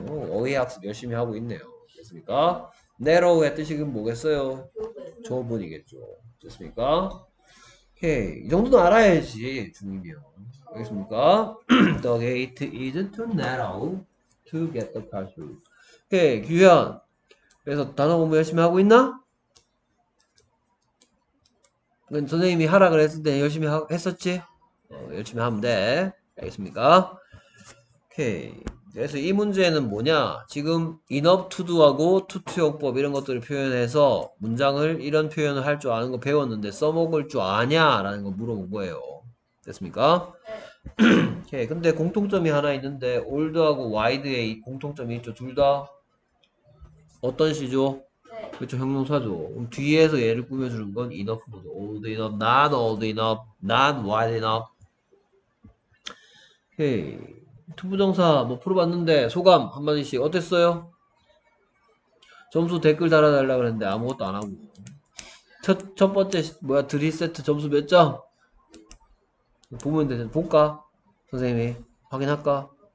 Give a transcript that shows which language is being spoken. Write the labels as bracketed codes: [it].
[ko] 어휘 학습 열심히 하고 있네요. 됐습니까? narrow의 뜻이 그럼 뭐겠어요? 좁은 이겠죠. 됐습니까? 오케이. 이 정도는 알아야지. 중이면. 알겠습니까? [en] The gate is too narrow to get the car through. [ko] 오케이. 규현. 그래서 단어 공부 열심히 하고 있나? 선생님이 하라 그랬을 때 열심히 했었지? 열심히 하면 돼. 알겠습니까? 오케이. 그래서 이 문제는 뭐냐? 지금 enough to do하고 to 투역법 이런 것들을 표현해서 문장을 이런 표현을 할줄 아는 거 배웠는데 써먹을 줄 아냐라는 거 물어본 거예요. 됐습니까? 오케이. 근데 공통점이 하나 있는데 old하고 wide의 공통점이 있죠. 둘다 어떤 시죠? 그렇죠. 형용사죠. 그럼 뒤에서 예를 꾸며주는 건 enough 거죠. [en] old enough, not old enough, not wide enough. [ko] 오케이. 투부정사 뭐 풀어봤는데 소감 한마디씩 어땠어요? 점수 댓글 달아달라 그랬는데 아무것도 안 하고. 첫 번째, 뭐야, 드릴 세트 점수 몇 점? 보면 되죠. 볼까? 선생님이. 확인할까?